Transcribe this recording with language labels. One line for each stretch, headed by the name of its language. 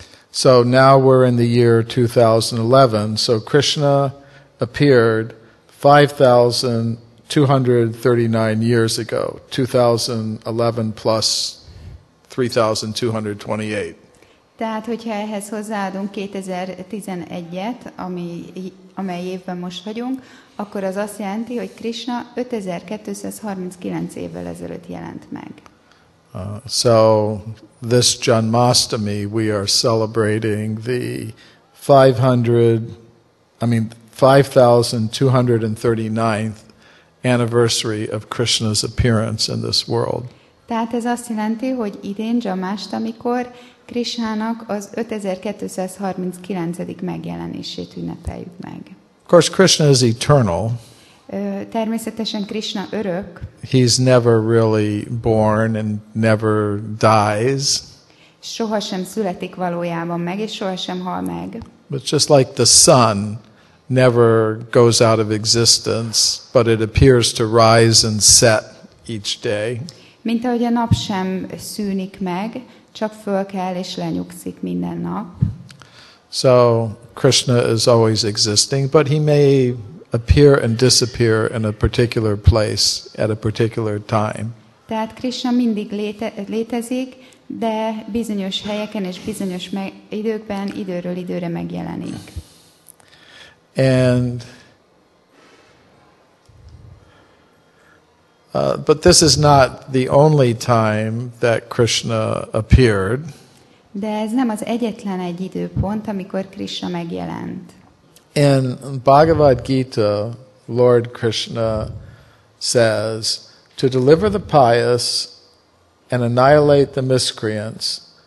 English: So now we're in the year 2011, so Krishna appeared 5239 years ago. 2011 plus 3228.
Hungarian: Tehát, hogyha ehhez hozzáadunk 2011-et, amely évben most vagyunk, akkor az azt jelenti, hogy Krishna 5239 évvel ezelőtt jelent meg.
English: So, this Janmashtami, we are celebrating the 5239th anniversary of Krishna's appearance in this world.
Hungarian: Tehát ez azt jelenti, hogy idén Janmashtamikor Krishnának az 5239. megjelenését ünnepeljük meg.
English: Of course, Krishna is eternal.
Hungarian: Természetesen Krishna örök.
English: He's never really born and never dies.
Hungarian: Sohasem születik valójában meg, és sohasem hal meg.
English: But just like the sun never goes out of existence, but it appears to rise and set each day.
Hungarian: Mint ahogy a nap sem szűnik meg, csak fölkel és lenyugszik minden nap.
English: So Krishna is always existing, but he may appear and disappear in a particular place at a particular time.
Hungarian: Tehát Krishna mindig létezik, de bizonyos helyeken és bizonyos időkben időről időre megjelenik.
English: But this is not the only time that Krishna appeared.
Hungarian: De ez nem az egyetlen egy időpont, amikor Krishna megjelent.
English: In Bhagavad Gita, Lord Krishna says, to deliver the pious and annihilate the miscreants,